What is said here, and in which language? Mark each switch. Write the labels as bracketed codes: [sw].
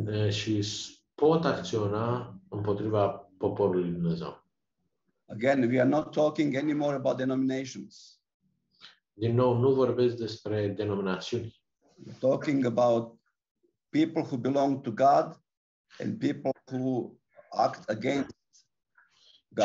[ro] Și pot acționa împotriva poporului Dumnezeu. [en] Again, we are not talking anymore about denominations. [ro] Din nou, nu vorbesc despre denominațiuni. [en] We're talking about people who belong to God and people who act against God.